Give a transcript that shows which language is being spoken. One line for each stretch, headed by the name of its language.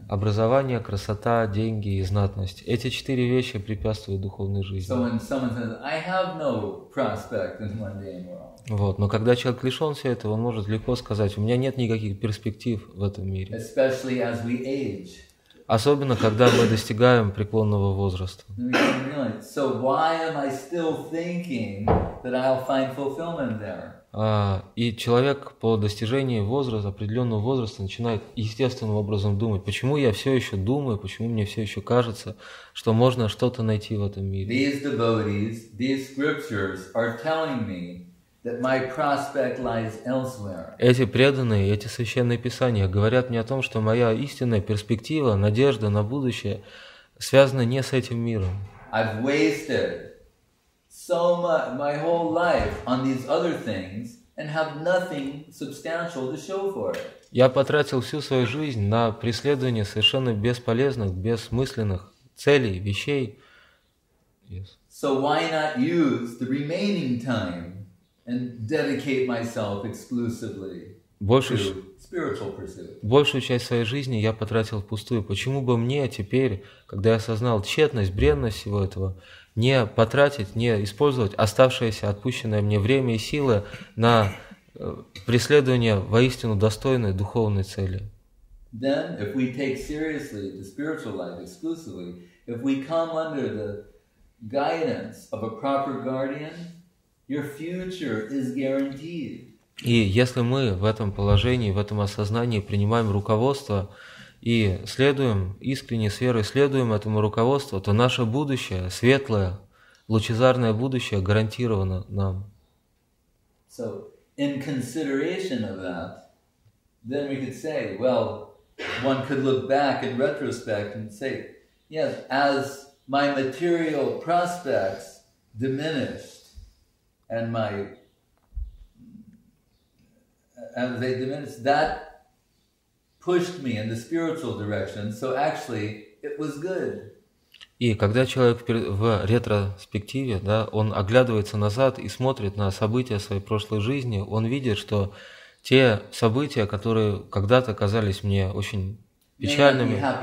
Russian: Образование, красота, деньги и знатность. Эти четыре вещи препятствуют духовной жизни.
English: So when someone says, I have no prospect in the mundane world.
Russian: Вот. Но когда человек лишен всего этого, он может легко сказать, у меня нет никаких перспектив в этом мире.
English: Especially as we age.
Russian: Особенно, когда мы достигаем преклонного возраста.
English: So why am I still thinking that I'll find fulfillment there?
Russian: И человек по достижении возраста, определенного возраста, начинает естественным образом думать, почему я все еще думаю, почему мне все еще кажется, что можно что-то найти в этом мире.
English: These devotees, these scriptures are telling me that my prospect lies elsewhere.
Russian: Эти преданные, эти священные писания говорят мне о том, что моя истинная перспектива, надежда на будущее связана не с этим миром.
English: I've wasted so much my whole life on these other things and have nothing substantial to show for it.
Russian: Я потратил всю свою жизнь на преследование совершенно бесполезных, бессмысленных целей, вещей.
English: Yes. So why not use the remaining time and dedicate myself exclusively to spiritual pursuit.
Russian: Большую часть своей жизни я потратил впустую. Почему бы мне теперь, когда я осознал тщетность, бренность всего этого, не потратить, не использовать оставшееся отпущенное мне время и силы на преследование воистину достойной духовной цели?
English: Then, if we take seriously the spiritual life exclusively, if we come under the guidance of a proper guardian, your future is guaranteed.
Russian: И если мы в этом положении, в этом осознании принимаем руководство и следуем искренне, с верой следуем этому руководству, то наше будущее, светлое, лучезарное будущее гарантировано нам.
English: So, in consideration of that, then we could say, well, one could look back in retrospect and say, yes, as my material prospects diminish, and my as they diminish, that pushed me in the spiritual direction, so actually it was good.
Russian: И когда человек в ретроспективе, да, он оглядывается назад и смотрит на события своей прошлой жизни, он видит, что те события, которые когда-то казались мне очень печальными,